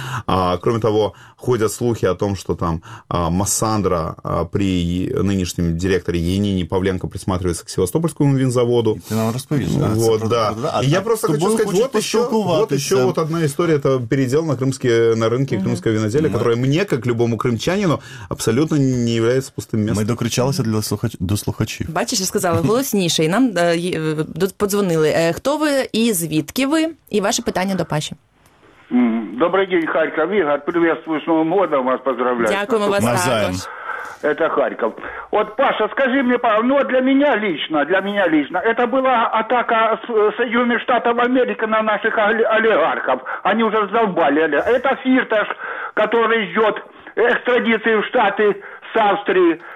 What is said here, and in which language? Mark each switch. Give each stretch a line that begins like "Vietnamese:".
Russian: Кроме того, ходят слухи о том, что там Массандра при нынешнем директоре Янине Павленко присматривается к Севастопольскому винзаводу. И ты нам расскажешь. Да, вот, да. Просто, да. Я просто хочу сказать, вот еще вот одна история. Это передел на рынке крымского виноделия, которое мне, как любому крымчанину, абсолютно не является пустым местом.
Ukrainian: Мы докричалися до слухачів. Бачиш, сказали голосніше, і нам подзвонили. Хто ви і звідки ви? І ваше питання до Паші. Добрий день, Харків, Ігор. Привітствую, з Новим годом
Russian: вас поздравляю.
Ukrainian: Дякуємо вас, також.
Russian: Это Харьков. Вот, Паша, скажи мне, ну, для меня лично, это была атака Соединенных Штатов Америки на наших олигархов. Они уже задолбали. Это Фирташ, который ждет экстрадиции в Штаты с Австрии.